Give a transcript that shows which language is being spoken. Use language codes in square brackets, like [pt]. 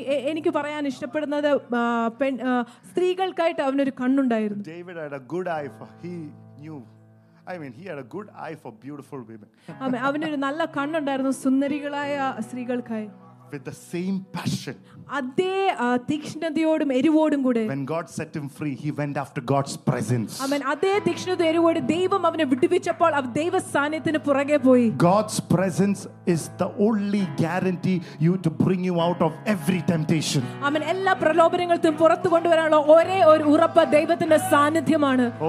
[ml] എനിക്ക് പറയാൻ ഇഷ്ടപ്പെടുന്നത് സ്ത്രീകൾക്കായിട്ട് അവനൊരു കണ്ണുണ്ടായിരുന്നു. [en] David had a good eye for he knew. I mean he had a good eye for beautiful women. [ml] അമ്മ അവനൊരു നല്ല കണ്ണുണ്ടായിരുന്നു സുന്ദരികളായ സ്ത്രീകൾക്കായി. [en] With the same passion. [ml] അതേ തീക്ഷ്ണതയോടും എരിവോടും കൂടെ. [en] When God set him free, he went after God's presence. [ml] അമ്മ അതേ തീക്ഷ്ണതയോടും എരിവോടും ദൈവം അവനെ വിട്ടുവിച്ചപ്പോൾ അവൻ ദൈവസ്ഥാനത്തിനു പുറകെ പോയി. [en] God's presence is the only guarantee you to bring you out of every temptation. [ml] അമ്മ എല്ലാ പ്രലോഭനങ്ങളും പുറത്തു കൊണ്ടുവരാനുള്ള ഒരേ ഒരു ഉറപ്പ് ദൈവത്തിന്റെ സാന്നിധ്യമാണ്.